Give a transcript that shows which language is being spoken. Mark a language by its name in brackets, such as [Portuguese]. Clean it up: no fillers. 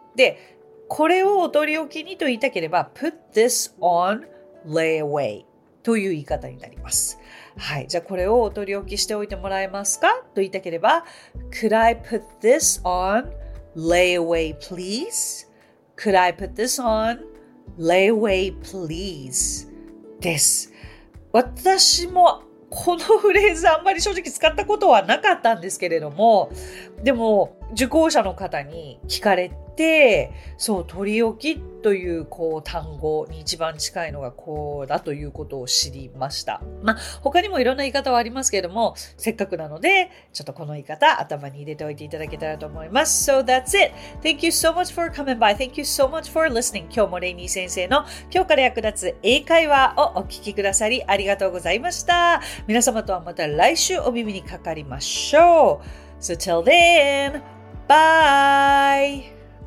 [Japanese] で、これをお取り置きにと言いたければ、 [English] put this on layaway [Japanese] という言い方になります。はい。じゃあ、これをお取り置きしておいてもらえますかと言いたければ、 [English] could I put this on layaway, please? Could I put this on layaway, please? [Japanese] です。私もこのフレーズあんまり正直使ったことはなかったんですけれども、でも受講者の方に聞かれて、そう、取り置きというこう単語に一番近いのがこうだということを知りました。まあ他にもいろんな言い方はありますけれども、せっかくなのでちょっとこの言い方頭に入れておいていただけたらと思います。 [English] So that's it. Thank you so much for coming by. Thank you so much for listening. [Japanese] 今日もレイニー先生の今日から役立つ英会話をお聞きくださりありがとうございました。皆様とはまた来週お耳にかかりましょう。 [English] So till then, bye!